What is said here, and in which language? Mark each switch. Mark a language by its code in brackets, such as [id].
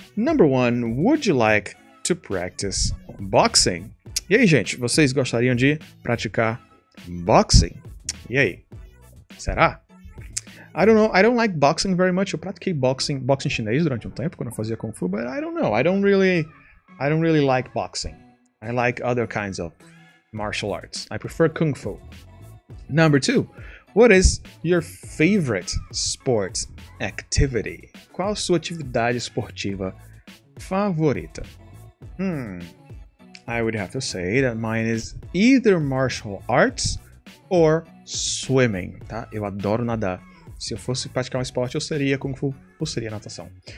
[en] Number one, would you like to practice boxing? [pt] E aí, gente, vocês gostariam de praticar boxing? E aí? Será? [en] I don't know. I don't like boxing very much. [pt] Eu pratiquei boxing chinês durante tempo, quando eu fazia Kung Fu, [en] but I don't know. I don't really like boxing. I like other kinds of martial arts. I prefer Kung Fu. Number two, what is your favorite sports activity? [pt] Qual sua atividade esportiva favorita? [en] I would have to say that mine is either martial arts or swimming. [pt] Tá? Eu adoro nadar. Se eu fosse praticar esporte, eu seria Kung Fu ou seria natação.